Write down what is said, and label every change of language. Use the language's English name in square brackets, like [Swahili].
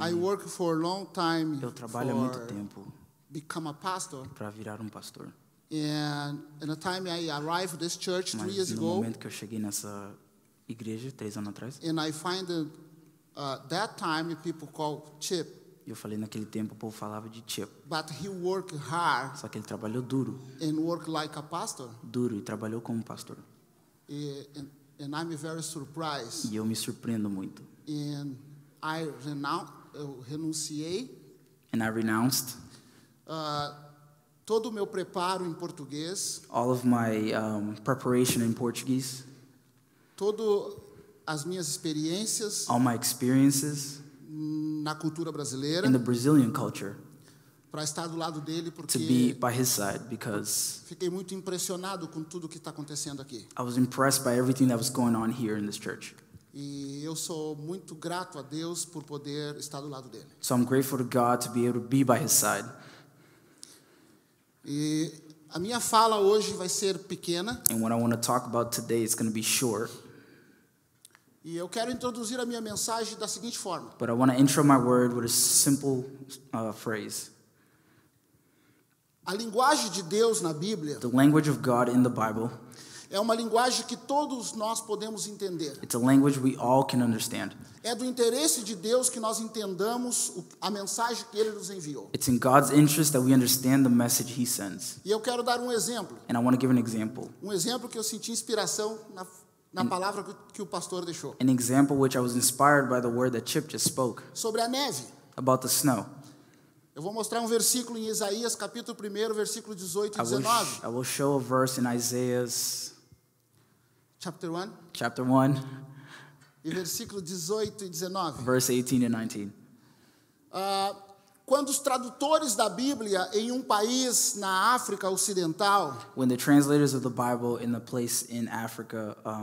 [English] I work for a long time [Portuguese] eu trabalho há muito tempo [English] become a pastor [Portuguese] para virar pastor. [English] And in the time I arrived at this church 3 years ago, [Portuguese] que eu cheguei nessa igreja, 3 anos atrás, [English] and I find that that time people call Chip. [Portuguese] Eu falei naquele tempo o povo falava de Chip. [English] But he worked hard. [Portuguese] Só que ele trabalhou duro. [English] And worked like a pastor. [Portuguese] Duro e trabalhou como pastor. [English] And I'm very surprised. [Portuguese] E eu me surpreendo muito. [English] And I [Portuguese] renunciei. [English] And I renounced. [Portuguese] Todo o meu preparo em português. [English] All of my preparation in Portuguese. [Portuguese] Todo as minhas experiências. [English] All my experiences. [Portuguese] Na cultura brasileira. [English] In the Brazilian culture. [Portuguese] Para estar do lado dele porque. [English] To be by his side because. [Portuguese] Fiquei muito impressionado com tudo que está acontecendo aqui. [English] I was impressed by everything that was going on here in this church. [Portuguese] E eu sou muito grato a Deus por poder estar do lado dele. [English] So I'm grateful to God to be able to be by his side. [Portuguese] E a minha fala hoje vai ser pequena. [English] And what I want to talk about today is going to be short. [Portuguese] E eu quero introduzir a minha mensagem da seguinte forma. [English] But I want to intro my word with a simple phrase. [Portuguese] A linguagem de Deus na Bíblia. [English] The language of God in the Bible. [Portuguese] É uma linguagem que todos nós podemos entender. [English] It's a language we all can understand. [Portuguese] É do interesse de Deus que nós entendamos a mensagem que Ele nos enviou. [English] It's in God's interest that we understand the message He sends. [Portuguese] E eu quero dar um exemplo. [English] And I want to give an example. [Portuguese] Um exemplo que eu senti inspiração na palavra que o pastor deixou. [English] An example which I was inspired by the word that Chip just spoke. [Portuguese] Sobre a neve. [English] About the snow. [Portuguese] Eu vou mostrar um versículo em Isaías, capítulo 1, versículo 18 e 19. [English] I will show a verse in Isaiah's... Chapter 1. Chapter 1. [Portuguese] E versículo 18 e 19. [English] Verse 18 and 19. [Portuguese] Quando os tradutores da Bíblia em um país na África Ocidental... [English] When the translators of the Bible in a place in Africa...